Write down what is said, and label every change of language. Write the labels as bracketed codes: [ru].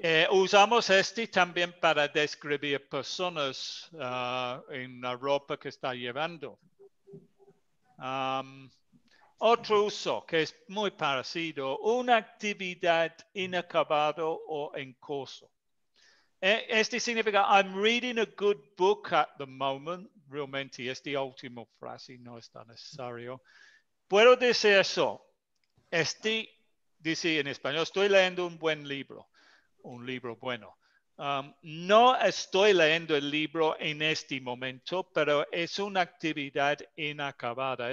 [es] Usamos este también para describir personas en la ropa que está llevando. Otro uso que es muy parecido, una actividad inacabado o en curso. Este significa, [en] I'm reading a good book at the moment. [es] Realmente, esta última frase no es tan necesario. Puedo decir eso. Este dice en español, estoy leyendo un buen libro. Un libro bueno. No estoy leyendo el libro en este momento, pero es una actividad inacabada.